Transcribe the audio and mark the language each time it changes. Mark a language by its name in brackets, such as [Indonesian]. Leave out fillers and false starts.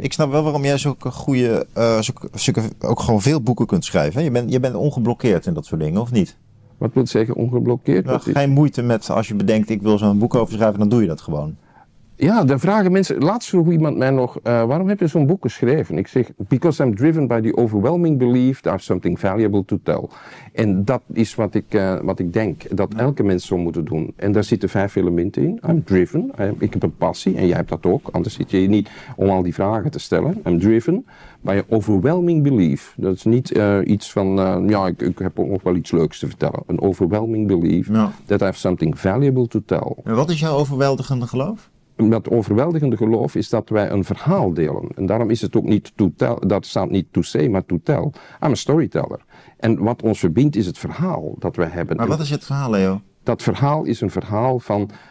[Dutch] Ik snap wel waarom jij ook gewoon veel boeken kunt schrijven. Je bent ongeblokkeerd in dat soort dingen, of niet? Wat wil zeggen ongeblokkeerd? Geen moeite met, als je bedenkt, ik wil zo'n boek over schrijven, dan doe je dat gewoon. Ja, dan vragen mensen, laatst vroeg iemand mij nog, waarom heb je zo'n boek geschreven? Ik zeg, [English] because I'm driven by the overwhelming belief that I have something valuable to tell. [Dutch] En dat is wat ik denk, dat elke mens zou moeten doen. En daar zitten 5 elementen in. [English] I'm driven, [Dutch] ik heb een passie, en jij hebt dat ook, anders zit je hier niet om al die vragen te stellen. [English] I'm driven by an overwhelming belief. [Dutch] Dat is niet iets van, ik heb ook nog wel iets leuks te vertellen. [English] An overwhelming belief that I have something valuable to tell. [Dutch] En wat is jouw overweldigende geloof? Dat overweldigende geloof is dat wij een verhaal delen. En daarom is het ook niet to tell, dat staat niet to say, maar to tell. [English] I'm a storyteller. [Dutch] En wat ons verbindt is het verhaal dat wij hebben. Maar wat is het verhaal, Leo? Dat verhaal is een verhaal van